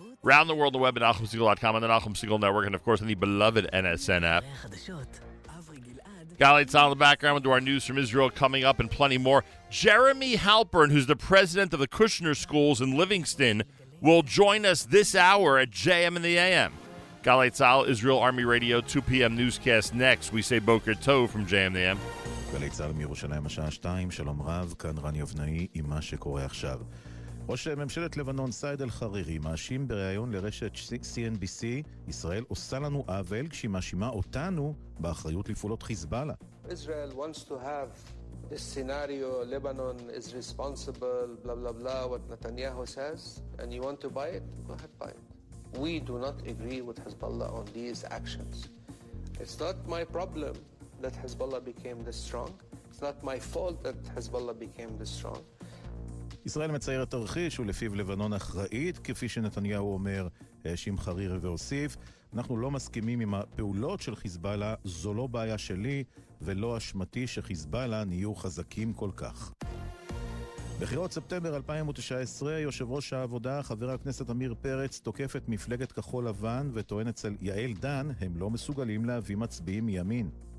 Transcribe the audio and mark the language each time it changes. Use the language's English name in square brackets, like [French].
[English] Round the world, the web at NachumSiegel.com and the Nachum Siegel Network, and of course, on the beloved NSN app. Gali Tzal in the background. We'll do our news from Israel coming up and plenty more. Jeremy Halpern, who's the president of the Kushner Schools in Livingston, will join us this hour at JM in the AM. Galei Tzal, Israel Army Radio, 2 p.m. newscast next. We say Boker Tov from JMNM. [Hebrew] Galei Tzal מירושלים, השעה 2, שלום רב, כאן רני אבנאי, עם מה שקורה עכשיו. ראש ממשלת לבנון, סייד אל חרירי, מאשים בריאיון לרשת CNBC, ישראל עושה לנו עוול כשהיא מאשימה אותנו באחריות לפעולות חיזבאללה. [English] Israel wants to have this scenario, Lebanon is responsible, blah, blah, blah, what Netanyahu says, and you want to buy it, go ahead, buy it. We do not agree with Hezbollah on these actions. It's not my problem that Hezbollah became this strong. It's not my fault that Hezbollah became this strong. [Hebrew] ישראל מציירת תרחיש ולפיו לבנון אחראית, כפי שנתניהו אומר, האשים חרירי והוסיף. אנחנו לא מסכימים עם הפעולות של חיזבאללה, זו לא בעיה שלי ולא אשמתי שחיזבאללה נהיו חזקים כל כך. בחירות ספטמבר 2019, יושב ראש העבודה, חבר הכנסת אמיר פרץ, תוקף את מפלגת כחול לבן וטוען אצל יעל דן, הם לא מסוגלים להביא מצביעים מימין.